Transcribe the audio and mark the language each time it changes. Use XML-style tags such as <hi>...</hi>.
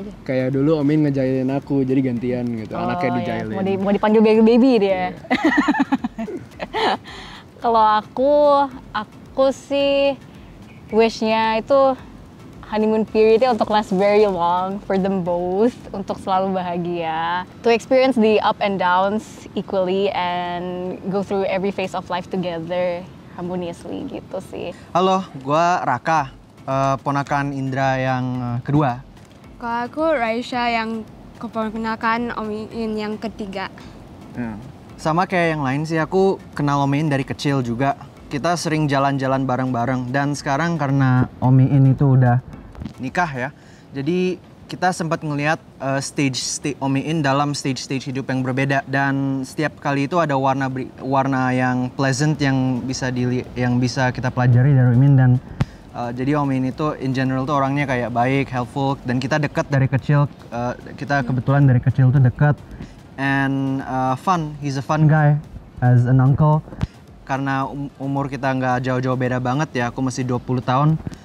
<id>Kayak dulu Om Iin ngejailin aku, jadi gantian gitu. Oh, anaknya dijailin. Iya. Mau dipanggil baby dia.</id> <en>Yeah.</en> <id>Kalau aku sih</id> <en>wish-nya itu honeymoon period-nya untuk last very long for them both,</en> <id>untuk selalu bahagia.</id> <en>To experience the up and downs equally and go through every phase of life together harmoniously</en> <id>gitu sih. Halo, gua Raka. ponakan Indra yang kedua? Kalau aku Raisa yang keponakan Om Iin yang ketiga. Sama kayak yang lain sih, aku kenal Om Iin dari kecil juga. Kita sering jalan-jalan bareng-bareng. Dan sekarang karena Om Iin itu udah nikah ya, jadi kita sempat ngelihat stage Om Iin dalam stage-stage hidup yang berbeda. Dan setiap kali itu ada warna yang pleasant yang bisa kita pelajari dari Om Iin. Dan jadi Om Iin itu</id> <en>in general</en> <id>tuh orangnya kayak baik,</id> <en>helpful,</en> <id>dan kita dekat dari kecil. Kita kebetulan dari kecil tuh dekat.</id> <en>And fun, he's a fun guy as an uncle.</en> <id>Karena umur kita nggak jauh-jauh beda banget ya, aku masih 20 tahun.</id>